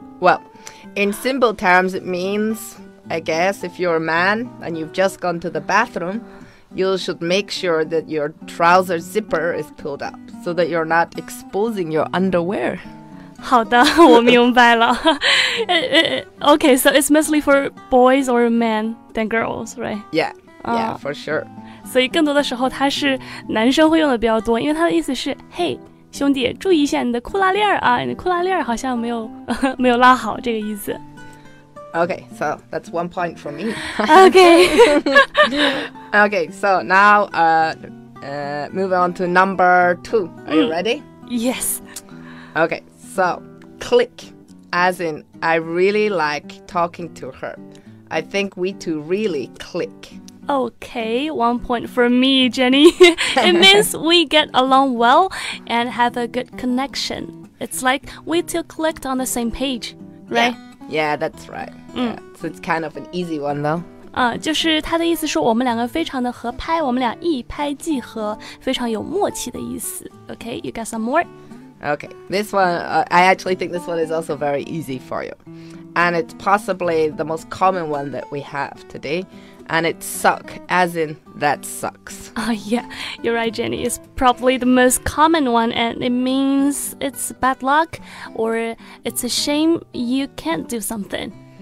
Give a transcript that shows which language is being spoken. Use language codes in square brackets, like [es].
[en] Well, in simple terms, it means, I guess, if you're a man and you've just gone to the bathroom, you should make sure that your trouser zipper is pulled up so that you're not exposing your underwear. [zh] 好的，我明白了。 [en] Okay, so it's mostly for boys or men than girls, right? Yeah, for sure. [zh] 所以更多的时候，它是男生会用的比较多，因为它的意思是，嘿，兄弟，注意一下你的裤拉链啊，你的裤拉链好像没有拉好，这个意思。 [en] Okay, so that's one point for me. Okay. Okay, so now, moving on to number two. Are you ready? Yes. Okay. So, click, as in, I really like talking to her. I think we two really click. Okay, one point for me, Jenny. It means we get along well and have a good connection. It's like we two clicked on the same page, right? Yeah, that's right. Mm. Yeah. So it's kind of an easy one, though. [zh] 就是他的意思是我们两个非常的合拍，我们俩一拍即合，非常有默契的意思。 [en] Okay, you got some more? Okay, this one, I actually think this one is also very easy for you. And it's possibly the most common one that we have today. And it's suck, as in, that sucks. Yeah, you're right, Jenny. It's probably the most common one. And it means it's bad luck or it's a shame you can't do something.